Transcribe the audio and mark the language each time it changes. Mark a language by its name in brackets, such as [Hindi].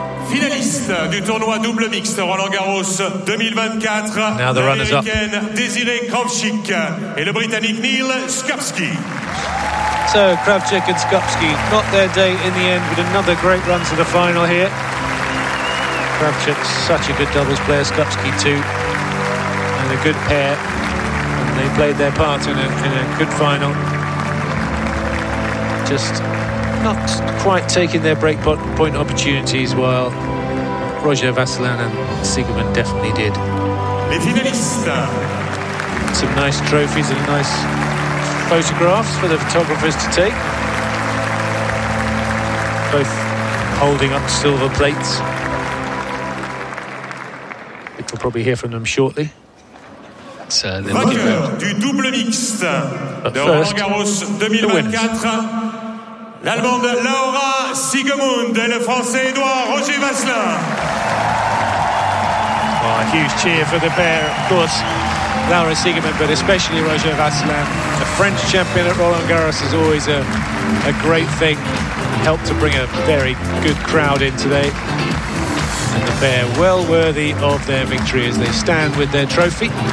[French] Finaliste du tournoi double mixte Roland Garros 2024, l'Américain Désiré Kravchuk et le Britannique Neil Skupski. [English] So Kravchuk and Skupski, not their day in the end, with another great run to the final here. Kravchuk, such a good doubles player, Skupski too, and a good pair, and they played their part in a good final. Just not quite taking their breakpoint opportunities, while Roger Vassalin and Sigurdsson definitely did. [French] Les finalistes. [English] Some nice trophies and nice photographs for the photographers to take. Both holding up silver plates. We'll probably hear from them shortly. [French] Vainqueur du double mixte de Roland Garros 2024, l'Allemande Laura Siegemund et le Français Edouard Roger Vasselin. [English] Oh, a huge cheer for the pair, of course. Laura Siegemann, but especially Roger Vasselin. A French champion at Roland Garros is always a great thing. Helped to bring a very good crowd in today. And the pair well worthy of their victory as they stand with their trophy.